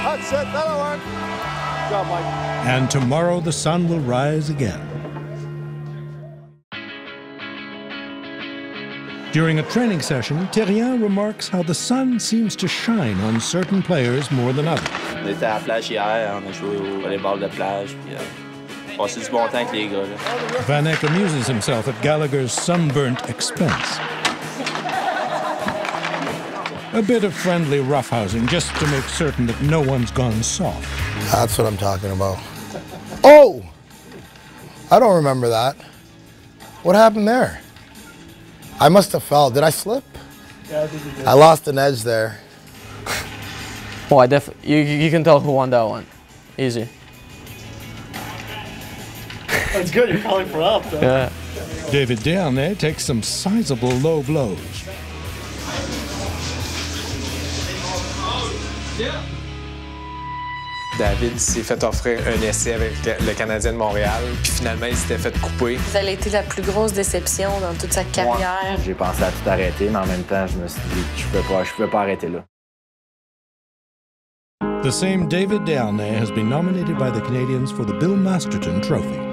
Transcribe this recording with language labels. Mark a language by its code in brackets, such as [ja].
[en] And tomorrow the sun will rise again. During a training session, Therrien remarks how the sun seems to shine on certain players more than others. [fr] On était à la plage hier, on a joué au volleyball de plage, puis passé du bon temps avec les gars. Là. [en] Vanek amuses himself at Gallagher's sunburnt expense. A bit of friendly roughhousing just to make certain that no one's gone soft. That's what I'm talking about. Oh! I don't remember that. What happened there? I must have fell. Did I slip? Yeah, I think you did. I lost an edge there. Well, you can tell who won that one. Easy. That's good, you're calling for help, though. Yeah. David Dernay takes some sizable low blows. [fr] David s'est fait offrir un essai avec le Canadien de Montréal, puis finalement, il s'était fait couper. Ça a été la plus grosse déception dans toute sa carrière. Moi, j'ai pensé à tout arrêter, mais en même temps, je me suis dit, je peux pas arrêter là. [en] The same David Dernay has been nominated by the Canadiens for the Bill Masterton Trophy.